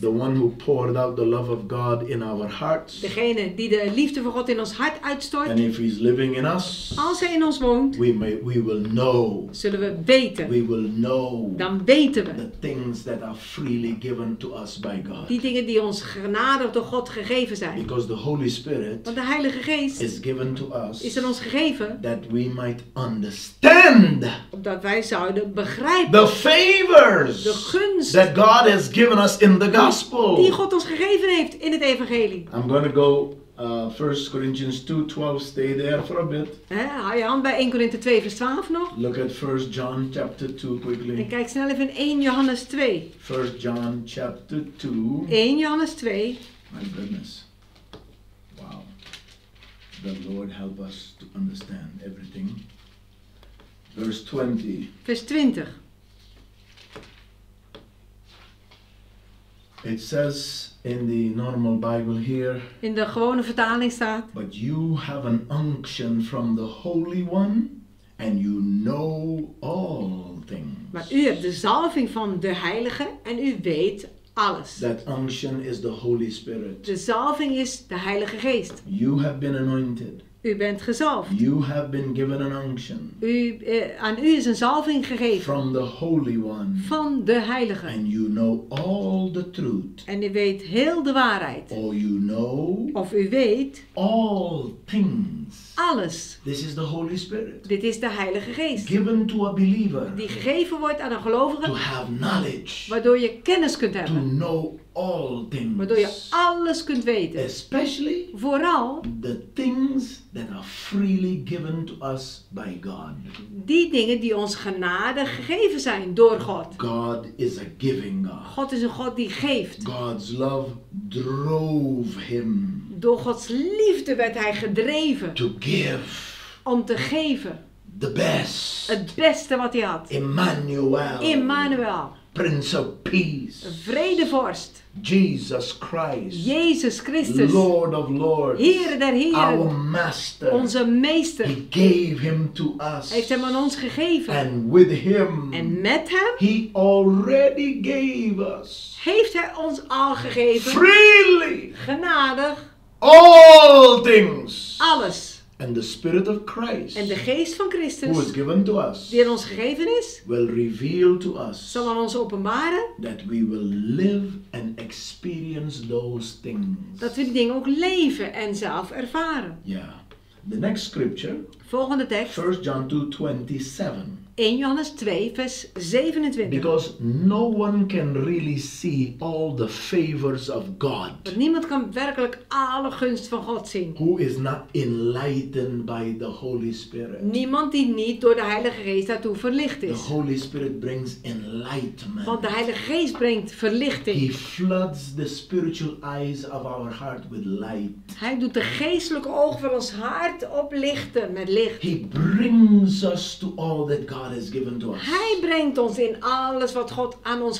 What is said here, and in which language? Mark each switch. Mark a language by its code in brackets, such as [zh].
[en] The one who poured out the love of God in our hearts. [nl] Degene die de liefde van God in ons hart uitstort. [en] And if he's living in us. [nl] Als hij in ons woont. [en] We will know. [nl] Zullen we weten. [en] We will know. [nl] Dan weten we. [en] The things that are freely given to us by God. [nl] Die dingen die ons genadig door God gegeven zijn. [en] Because the Holy Spirit. [nl] Want de Heilige Geest. [en] Is given to us. [nl] Is aan ons gegeven. [en] That we might understand. [nl] Opdat wij zouden begrijpen [en] the favors, [nl] de gunst [en] that God has given us in the gospel, [nl] die God ons gegeven heeft in het evangelie. [en] I'm going to go 1 Corinthians 2:12, stay there for a bit. [nl] Hou je hand bij 1 Korinthe 2 vers 12 nog. [en] Look at 1 John chapter 2 quickly. [nl] En kijk snel even in 1 Johannes 2. [en] 1 John chapter 2. [nl] 1 Johannes 2. [en] My goodness. Wow. The Lord help us to understand everything. [nl] Vers 20. [en] It says in the normal Bible here. [nl] In de gewone vertaling staat. [en] But you have an unction from the Holy One, and you know all things. [nl] Maar u hebt de zalving van de Heilige en u weet alles. [en] That unction is the Holy Spirit. [nl] De zalving is de Heilige Geest. [en] You have been anointed. [nl] U bent gezalfd. [en] You have been given an unction. [nl] Aan u is een zalving gegeven. [en] From the Holy One. [nl] Van de Heilige. [en] And you know all the truth. [nl] En u weet heel de waarheid. [en] Or you know. [nl] Of u weet. [en] All things. [nl] Alles. [en] This is the Holy Spirit. [nl] Dit is de Heilige Geest. [en] Given to a believer. [nl] Die gegeven wordt aan een gelovige. [en] To have knowledge. [nl] Waardoor je kennis kunt hebben. [en] To know all things. [nl] Waardoor je alles kunt weten. [en] Especially. [nl] Vooral. [en] The things that are freely given to us by God. [nl] Die dingen die ons genade gegeven zijn door God. [en] God is a giving God. [nl] God is een God die geeft. [en] God's love drove him. [nl] Door Gods liefde werd hij gedreven. [en] To give. [nl] Om te geven. [en] The best. [nl] Het beste wat hij had. [en] Emmanuel. [nl] Emmanuel. [en] Prince of Peace. [nl] Vredevorst. [en] Jesus Christ. [nl] Jezus Christus. [en] Lord of Lords. [nl] Heere der Heeren. [en] Our Master. [nl] Onze Meester. [en] He gave him to us. [nl] Heeft hem aan ons gegeven. [en] And with him. [nl] En met hem. [en] He already gave us. [nl] Heeft hij ons al gegeven. [en] Freely. [nl] Genadig. [en] All things. [nl] Alles. [en] And the Spirit of Christ. [nl] En de Geest van Christus. [en] Who is given to us. [nl] Die aan ons gegeven is. [en] Will reveal to us. [nl] Zal aan ons openbaren. [en] That we will live and experience those things. [nl] Dat we die dingen ook leven en zelf ervaren. [en] Ja. Yeah. The next scripture. [nl] Volgende tekst. [en] 1 John 2:27. [nl] 1 Johannes 2 vers 27. [en] Because no one can really see all the favors of God. [nl] Want niemand kan werkelijk alle gunst van God zien. [en] Who is not enlightened by the Holy Spirit. [nl] Niemand die niet door de Heilige Geest daartoe verlicht is. [en] The Holy Spirit brings enlightenment. [nl] Want de Heilige Geest brengt verlichting. [en] He floods the spiritual eyes of our heart with light. [nl] Hij doet de geestelijke ogen van ons hart oplichten met licht. [en] He brings us to all that God has given to us. [nl] Hij brengt ons in alles wat God aan ons